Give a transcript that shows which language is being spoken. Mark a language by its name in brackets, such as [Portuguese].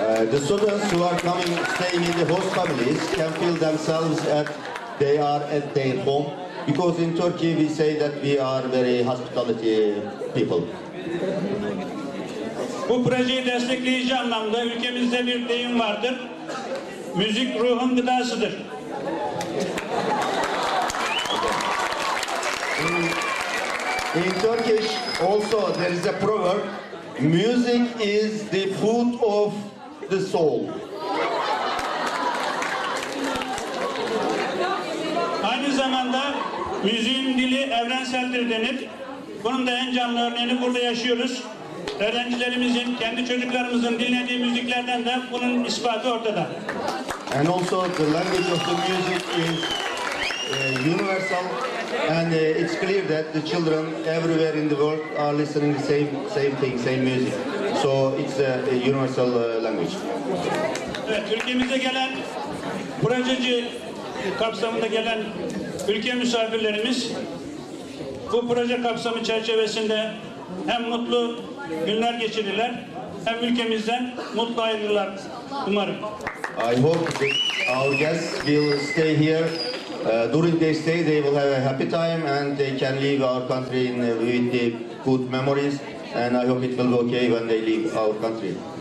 [English] The students who are coming staying in the host families can feel themselves at they are at their home. Because in Turkey we say that we are very hospitality people. [Turkish] Bu projeyi destekleyici anlamda ülkemizde bir deyim vardır. Müzik ruhun gıdasıdır. [English] In Turkish also there is a proverb, music is the food of the soul. [Turkish] Aynı zamanda müziğin dili evrenseldir denir. Bunun da en canlı örneğini burada yaşıyoruz. Öğrencilerimizin, kendi çocuklarımızın dinlediği müziklerden de bunun ispatı ortada. [English] And also the language of the music is universal. And it's clear that the children everywhere in the world are listening the same thing, same music. So it's a universal language. [Turkish] Evet, ülkemize gelen, projeci kapsamında gelen ülke misafirlerimiz bu proje kapsamı çerçevesinde hem mutlu günler geçirdiler hem ülkemizden mutlu ayrıldılar umarım. [English] I hope that our guests will stay here. During their stay, they will have a happy time and they can leave our country with the good memories. And I hope it will be okay when they leave our country.